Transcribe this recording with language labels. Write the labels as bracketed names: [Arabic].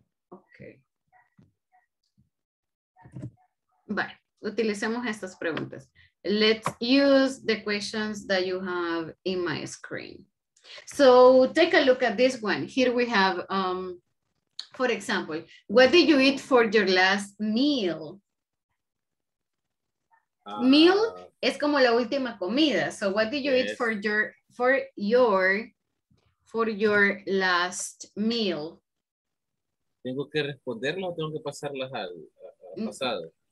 [Spanish] Ok, vale, utilicemos estas preguntas. [English] Let's use the questions that you have in my screen. So take a look at this one. Here we have for example, what did you eat for your last meal? [Spanish] Meal es como la última comida. [English] So what did you eat for your last meal? [Spanish] ¿Tengo que responderla o tengo que pasarlas al pasado?